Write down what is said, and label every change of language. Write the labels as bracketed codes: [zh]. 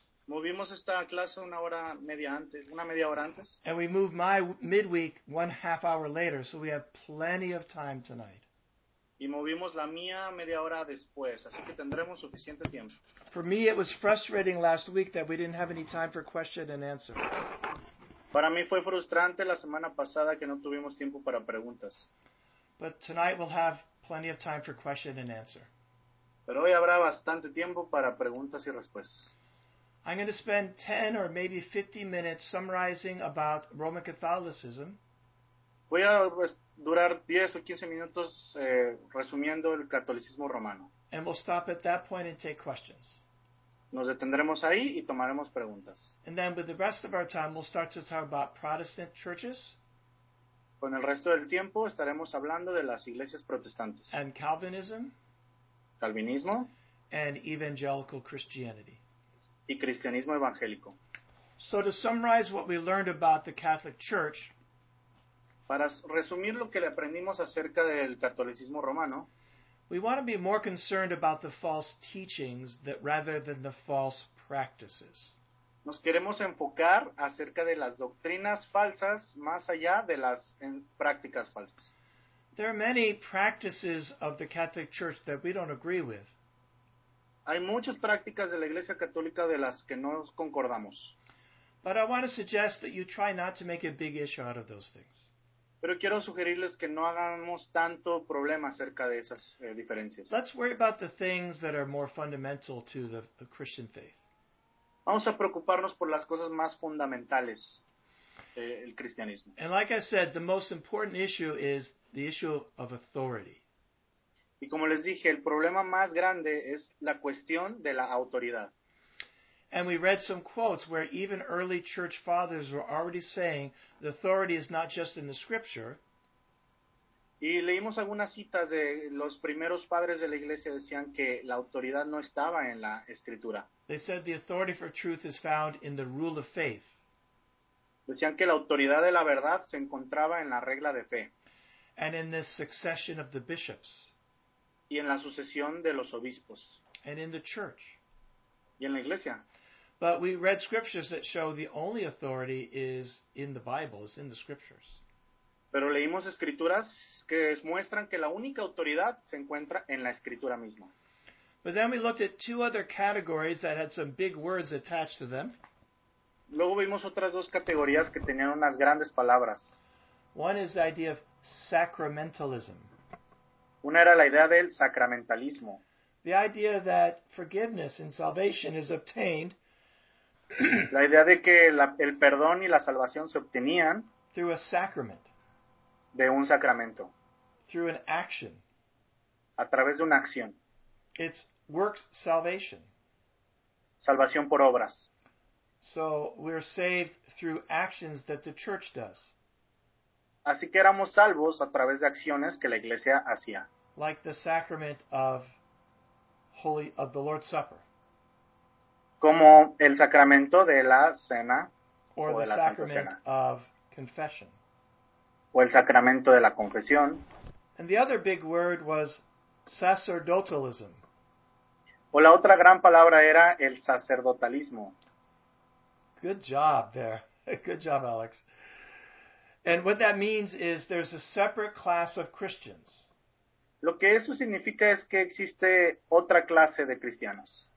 [es] Movimos esta clase una hora media antes, una media hora antes. [en] And we moved my midweek 1.5 hour later, so we have plenty of time tonight. [es] Y movimos la mía media hora después, así que tendremos suficiente tiempo. [en] For me, it was frustrating last week that we didn't have any time for question and answer. [es] Para mí fue frustrante la semana pasada que no tuvimos tiempo para preguntas. [en] But tonight we'll have plenty of time for question and answer. [es] Pero hoy habrá bastante tiempo para preguntas y respuestas. [en] I'm going to spend 10 or maybe 50 minutes summarizing about Roman Catholicism. [es] Voy a durar 10 o 15 minutos resumiendo el catolicismo romano. [en] And we'll stop at that point and take questions. [es] Nos detendremos ahí y tomaremos preguntas. [en] And then with the rest of our time, we'll start to talk about Protestant churches. [es] Con el resto del tiempo estaremos hablando de las iglesias protestantes. [en] And Calvinism. [es] Calvinismo. [en] And evangelical Christianity. [es] Y cristianismo evangélico. [en] So to summarize what we learned about the Catholic Church. [es] Para resumir lo que le aprendimos acerca del catolicismo romano. [en] We want to be more concerned about the false teachings that rather than the false practices. [es] Nos queremos enfocar acerca de las doctrinas falsas más allá de las prácticas falsas. [en] There are many practices of the Catholic Church that we don't agree with. [es] Hay muchas prácticas de la Iglesia Católica de las que no concordamos. [en] But I want to suggest that you try not to make a big issue out of those things. [es] Pero quiero sugerirles que no hagamos tanto problema acerca de esas diferencias. [en] Let's worry about the things that are more fundamental to the Christian faith. [es] Vamos a preocuparnos por las cosas más fundamentales del cristianismo. [en] And like I said, the most important issue is the issue of authority. [es] Y como les dije, el problema más grande es la cuestión de la autoridad. [en] And we read some quotes where even early church fathers were already saying the authority is not just in the scripture. [es] Y leímos algunas citas de los primeros padres de la iglesia decían que la autoridad no estaba en la escritura. [en] They said the authority for truth is found in the rule of faith. [es] Decían que la autoridad de la verdad se encontraba en la regla de fe. [en] And in the succession of the bishops. [es] Y en la sucesión de los obispos. [en] And in the church. [es] Y en la iglesia. [en] But we read scriptures that show the only authority is in the Bible, is in the scriptures. [es] Pero leímos escrituras que muestran que la única autoridad se encuentra en la escritura misma. [en] But then we looked at two other categories that had some big words attached to them. [es] Luego vimos otras dos categorías que tenían unas grandes palabras. [en] One is the idea of sacramentalism. [es] Una era la idea del sacramentalismo. [en] The idea that forgiveness and salvation is obtained. [es] La idea de que el perdón y la salvación se obtenían. [en] Through a sacrament. [es] De un sacramento. [en] Through an action. [es] A través de una acción. [en] It's works salvation. [es] Salvación por obras. [en] So we're saved through actions that the church does. [es] Así que éramos salvos a través de acciones que la iglesia hacía. [en] Like the sacrament of the Lord's Supper. [es] Como el sacramento de la cena. [en] Or [es] o [en] the [es] de la [en] sacrament [es] Santa cena. [en] Of confession. [es] O el sacramento de la confesión. [en] And the other big word was sacerdotalism. [es] O la otra gran palabra era el sacerdotalismo. [en] Good job there. Good job, Alex. And what that means is there's a separate class of Christians. [es] Lo que eso significa es que existe otra clase de cristianos.